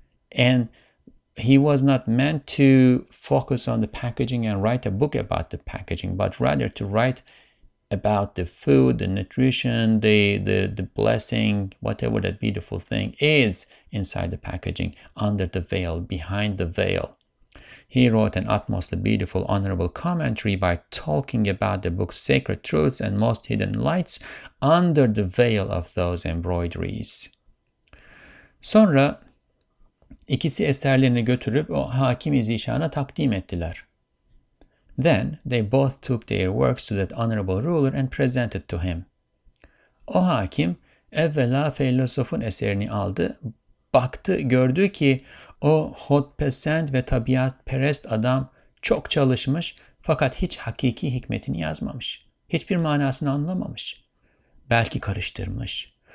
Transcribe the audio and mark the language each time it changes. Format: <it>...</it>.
<en>And he was not meant to focus on the packaging and write a book about the packaging, but rather to write about the food, the nutrition, the blessing, whatever that beautiful thing is inside the packaging, under the veil, behind the veil. He wrote an utmost beautiful, honorable commentary by talking about the book's sacred truths and most hidden lights under the veil of those embroideries.</en> <tr>Sonra ikisi eserlerini götürüp o hakim-i zişana takdim ettiler.</tr> <en>Then they both took their works to that honorable ruler and presented to him.</en> <tr>O hakim evvela filozofun eserini aldı, baktı, gördü ki o hodpesent ve tabiat perest adam çok çalışmış fakat hiç hakiki hikmetini yazmamış. Hiçbir manasını anlamamış. Belki karıştırmış.</tr>